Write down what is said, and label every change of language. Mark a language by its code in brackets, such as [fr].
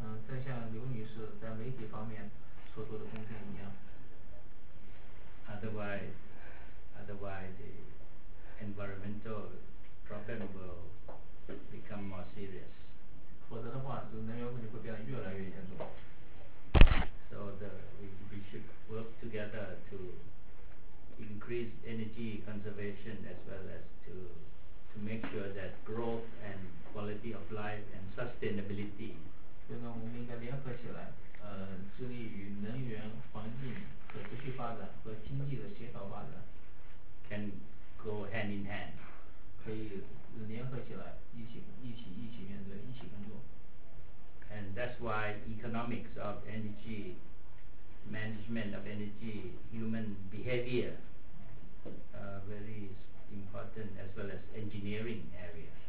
[zh] 正像刘女士在媒体方面所做的贡献一样。 [en] Otherwise, the environmental problem will become more serious. [zh] 否则的话，就能源问题会变得越来越严重。 [en] So we should work together to. Increase energy conservation as well as to make sure that growth and quality of life and sustainability. [zh] 所以呢，我们应该联合起来，致力于能源、环境可持续发展和经济的协调发展。 [en] Can go hand in hand. [zh] 可以联合起来，一起面对，一起工作。 [en] And that's why economics of energy. Management of energy, human behavior, very important as well as engineering area.